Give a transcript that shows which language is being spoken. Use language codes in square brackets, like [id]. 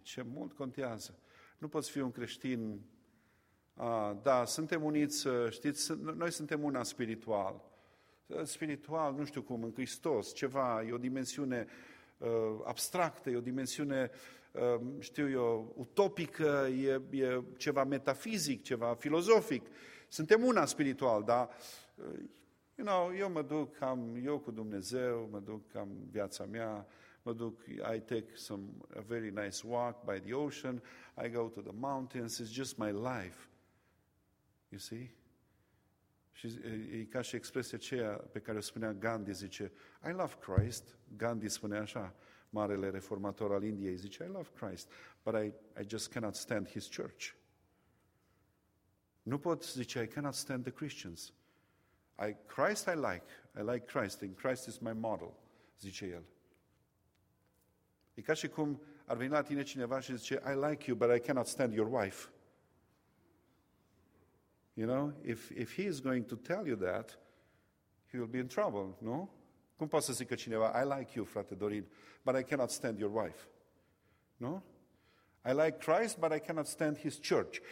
[ro] Ce mult contează? Nu poți fi un creștin, suntem uniți, știți, noi suntem una spiritual. Spiritual, nu știu cum, în Hristos, ceva, e o dimensiune abstractă, e o dimensiune, știu eu, utopică, e ceva metafizic, ceva filozofic. Suntem una spiritual, dar, [en] you know, [ro] eu mă duc cam eu cu Dumnezeu, mă duc cam viața mea, mă duc, [en] I take a very nice walk by the ocean, I go to the mountains, it's just my life. You see? [ro] Și e ca și expresia aceea pe care o spunea Gandhi, zice, [en] I love Christ. [ro] Gandhi spunea așa, marele reformator al Indiei, zice, [en] I love Christ, but I just cannot stand his church. [ro] Nu pot, zice, [en] I cannot stand the Christians. I like Christ, and Christ is my model, [ro] zice el. E ca și cum ar veni la tine cineva și zice, [en] I like you, but I cannot stand your wife. You know, if he is going to tell you that, he will be in trouble, nu? [ro] Cum poate să zică cineva, [en] I like you, frate Dorin, but I cannot stand your wife. Nu? I like Christ, but I cannot stand his church.